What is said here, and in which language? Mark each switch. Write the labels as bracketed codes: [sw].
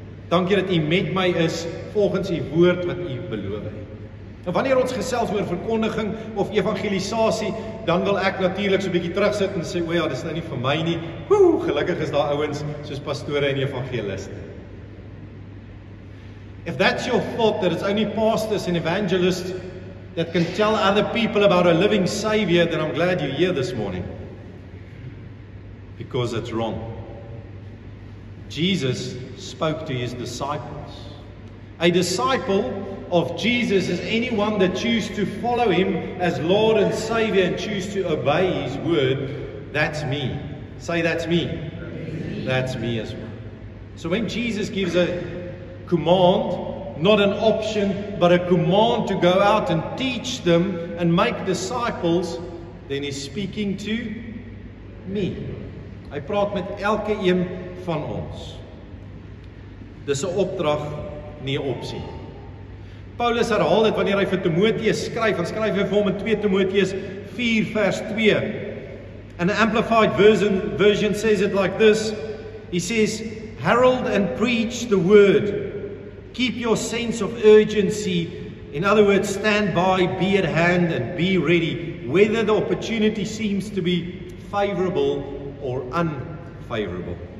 [af] Dankie dat U met my is volgens U woord wat U beloof het. En wanneer ons gesels oor verkondiging of evangelisasie, dan wil ek natuurlik so 'n bietjie terugsit en sê, "O ja, dis nou nie vir my nie." Woe, gelukkig is daar ouens soos pastore en evangeliste. [en] If that's your thought, that it's only pastors and evangelists that can tell other people about a living Savior, then I'm glad you're here this morning. Because it's wrong. Jesus spoke to His disciples. A disciple of Jesus is anyone that chooses to follow Him as Lord and Savior and choose to obey His word. That's me. Say, that's me. That's me as well. So when Jesus gives a command, not an option, but a command to go out and teach them and make disciples, then He's speaking to me. [af] Hy praat met elke een van ons. Dis 'n opdrag, nie 'n opsie. Paulus herhaal dit wanneer hy vir Timoteus skryf, hy skryf vir hom in 2 Timoteus 4 vers 2. [en] And the Amplified Version says it like this. He says, herald and preach the word. Keep your sense of urgency. In other words, stand by, be at hand, and be ready, whether the opportunity seems to be favorable or unfavorable.